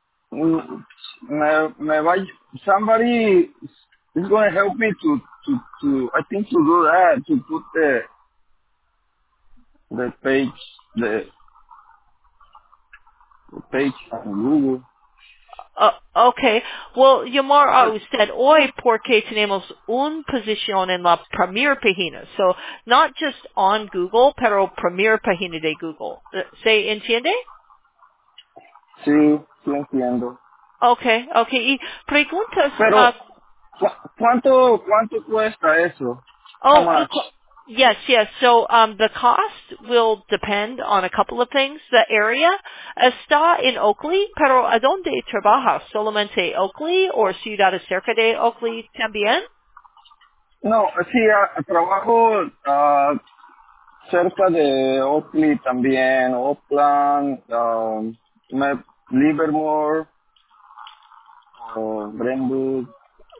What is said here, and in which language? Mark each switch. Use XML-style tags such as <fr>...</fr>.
<es>Me va,</es> <en>somebody is going to help me to I think to do that, to put the page, the page on Google. Okay.</en> <es>Well, llamar a usted hoy porque tenemos una posición en la primera página.</es> <en>So, not just on Google,</en> <es>pero primera página de Google. ¿Se entiende? Sí, sí entiendo. Okay. Y preguntas, Pero, ¿cuánto cuesta eso?</es> <en>How oh, much? yes. So, the cost will depend on a couple of things. The area,</en> <es>está en Oakley, pero ¿a dónde trabaja? ¿Solamente Oakley o ciudades cerca de Oakley también? No, sí, trabajo cerca de Oakley también, Oakland, Livermore, Brentwood, Pinewood,</es>